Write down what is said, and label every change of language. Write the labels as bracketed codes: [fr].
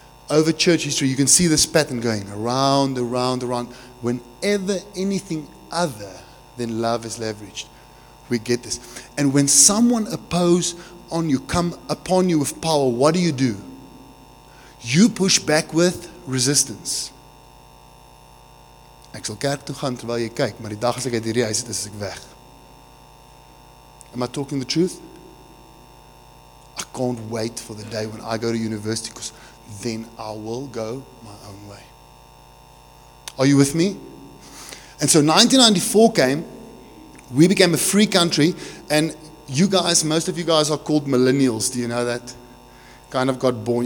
[en] Over church history, you can see this pattern going around, around, around. Whenever anything other than love is leveraged, we get this. And when someone opposes on you, come upon you with power, what do? You push back with resistance. [af] Ek sal kerk toe gaan terwyl jy kyk, maar die dag as ek uit hierdie huis is ek weg. [en] Am I talking the truth? I can't wait for the day when I go to university, because then I will go my own way. Are you with me? And so 1994 came. We became a free country. And you guys, most of you guys are called millennials. Do you know that? Kind of got born.